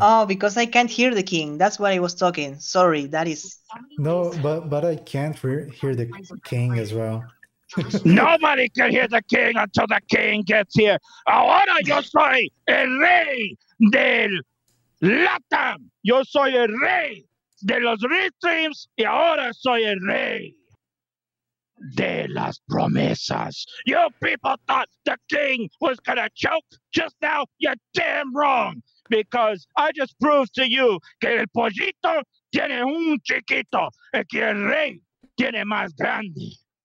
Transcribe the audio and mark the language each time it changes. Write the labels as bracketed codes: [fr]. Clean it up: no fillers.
[en] Oh, because I can't hear the king. That's what I was talking. Sorry, that is... No, but I can't hear the king as well. Nobody can hear the king until the king gets here. [es] Ahora yo soy el rey del LATAM. Yo soy el rey de los restreams. Y ahora soy el rey de las promesas. [en] You people thought the king was going to choke just now. You're damn wrong. Because I just proved to you [es] que el pollito tiene un chiquito y que el rey tiene más grande.